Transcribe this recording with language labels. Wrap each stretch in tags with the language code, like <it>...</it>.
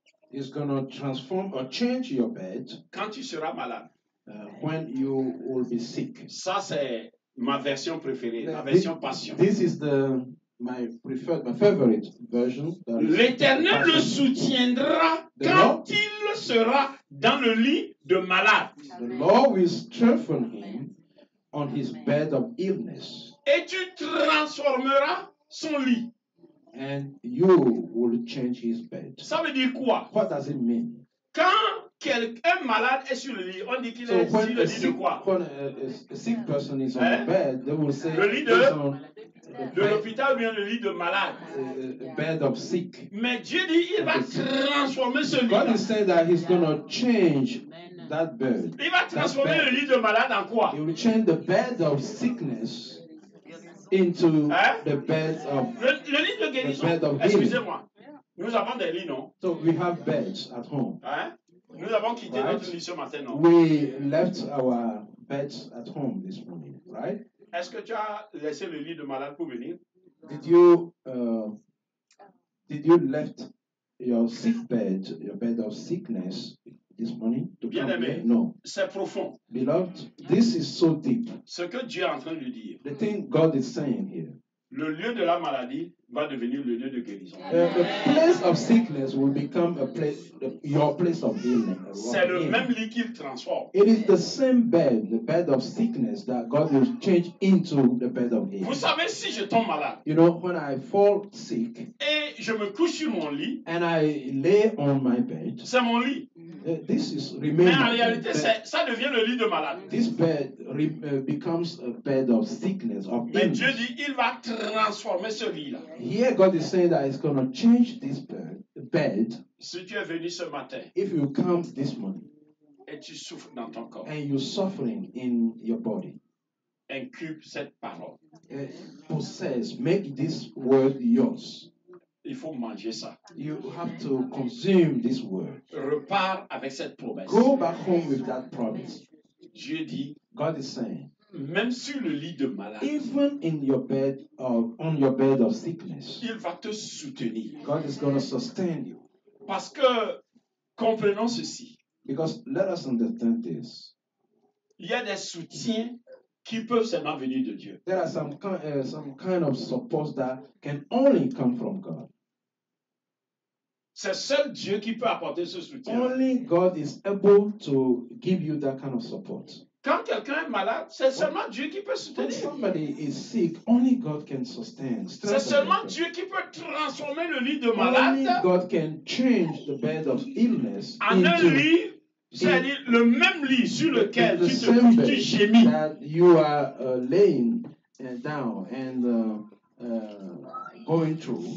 <en>Is going to transform or change your bed.</en> <fr>Quand tu seras malade.</fr> <en>When you will be sick.</en> <fr>Ça, c'est ma version préférée, la version passion.</fr> <en>This is the my favorite version.</en> <fr>L'Éternel le soutiendra quand il sera dans le lit de malade.</fr> <en>The Lord will strengthen him on his bed of illness.</en> <fr>Et tu transformeras son lit.</fr> <en>And you will change his bed.</en> <fr>Ça veut dire quoi?</fr> <en>What does it mean?</en> <fr>Quand quelqu'un malade est sur le lit, on dit qu'il</fr> <en>so</en> <fr>est sur le lit</fr> <en>sick,</en> <fr>de quoi?</fr> <en>When a sick person is on the bed, they will say</en> <fr>le lit de l'hôpital vient le lit de malade.</fr> <en>Bed of sick.</en> <fr>Mais Dieu dit il va transformer ce lit.</fr> <en>God is saying that he's going to change that bed.</en> <fr>Il va transformer le lit de malade en quoi?</fr> <en>He will change the bed of sickness into the beds of</en> <fr>le lit de guérison,</fr> <en>the bed of healing.</en> <fr>Excusez-moi. Nous avons des lits, non?</fr> <en>So we have beds at home.</en> <fr>Hein? Nous avons quitté</fr> <en>right?</en> <fr>notre lit ce matin, non?</fr> <en>We left our beds at home this morning, right?</en> <fr>Est-ce que tu as laissé le lit de malade pour venir?</fr> <en>Did you left your sick bed, your bed of sickness this morning to</en> <fr>bien</fr> <en>come</en> <fr>aimé,</fr> <en>here? No.</en> <fr>C'est profond.</fr> <en>Beloved, this is so deep.</en> <fr>Ce que Dieu est en train de dire.</fr> <en>The thing God is saying here.</en> <fr>Le lieu de la maladie va devenir le lieu de guérison.</fr> <en>The place of sickness will become a place, your place of healing.</en> <fr>C'est le même lit qu'il transforme.</fr> <en>It is the same bed, the bed of sickness that God will change into the bed of healing.</en> <fr>Vous savez, si je tombe malade,</fr> <en>you know, when I fall sick,</en> <fr>et je me couche sur mon lit,</fr> <en>and I lay on my bed,</en> <fr>c'est mon lit.</fr> <en>This is remaining.</en> <fr>Mais en réalité, ça devient le lit de malade.</fr> <en>This bed becomes a bed of sickness, of pain.</en> <fr>Mais Dieu dit, il va transformer ce lit-là.</fr> <en>Here God is saying that it's going to change this bed.</en> <fr>Si tu es venu ce matin,</fr> <en>if you come this morning,</en> <fr>et tu souffres dans ton corps,</fr> <en>and you're suffering in your body,</en> <fr>incube cette parole.</fr> <en>Possess, make this word yours.</en> <fr>Il faut manger ça.</fr> <en>You have to consume this word.</en> <fr>Repars avec cette promesse.</fr> <en>Go back home with that promise.</en> <fr>Dieu dit,</fr> <en>God is saying,</en> <fr>même sur le lit de malade,</fr> <en>even in your bed of, on your bed of sickness,</en> <fr>il va te soutenir.</fr> <en>God is going to sustain you.</en> <fr>Parce que, comprenons ceci.</fr> <en>Because let us understand this.</en> <fr>Il y a des soutiens qui peuvent seulement venir de Dieu.</fr> <en>There are some kind of support that can only come from God.</en> <fr>C'est seul Dieu qui peut apporter ce soutien.</fr> <en>Only God is able to give you that kind of support.</en> <fr>Quand quelqu'un est malade, c'est seulement Dieu qui peut soutenir.</fr> <en>When somebody is sick, only God can sustain.</en> <fr>C'est seulement Dieu qui peut transformer le lit de malade.</fr> <en>Only God can change the bed of illness</en> <fr>en</fr> <en>into</en> <fr>un lit. C'est-à-dire le même lit sur lequel tu te couches, tu gémis.</fr> <en>That you are laying down and going through.</en>